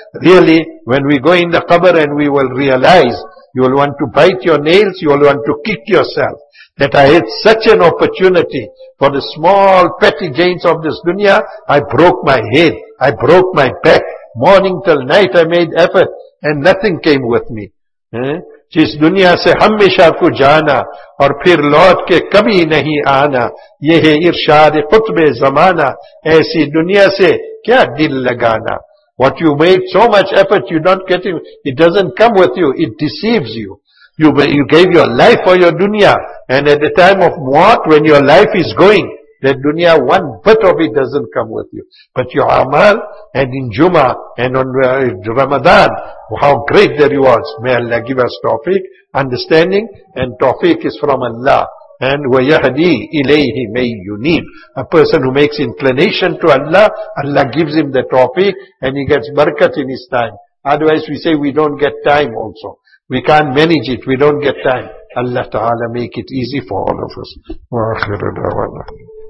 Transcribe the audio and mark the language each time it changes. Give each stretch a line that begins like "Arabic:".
English: Really, when we go in the qabr and we will realize, you will want to bite your nails, you will want to kick yourself. That I had such an opportunity for the small petty gains of this dunya, I broke my head, I broke my back. Morning till night I made effort and nothing came with me.
Urdu: جس دنیا سے ہمیشہ کو جانا اور پھر لوٹ کے کبھی نہیں آنا، یہ ہے ارشاد قطب زمانہ، ایسی دنیا سے کیا دل لگانا.
English: What you made so much effort, you don't get it, it doesn't come with you, it deceives you. You gave your life for your dunya, and at the time of maut, when your life is going, that dunya, one bit of it doesn't come with you. But your amal, and in Jummah, and on Ramadan, how great the rewards. May Allah give us tawfiq, understanding, and tawfiq is from Allah.
Arabic: And وَيَهْدِي إِلَيْهِ مَنْ يُنِيبُ.
English: A person who makes inclination to Allah, Allah gives him the tawfiq, and he gets barakat in his time. Otherwise we say we don't get time also. We can't manage it, we don't get time. Allah Ta'ala make it easy for all of us.
Arabic: وَآخِرُ دَعْوَانَا.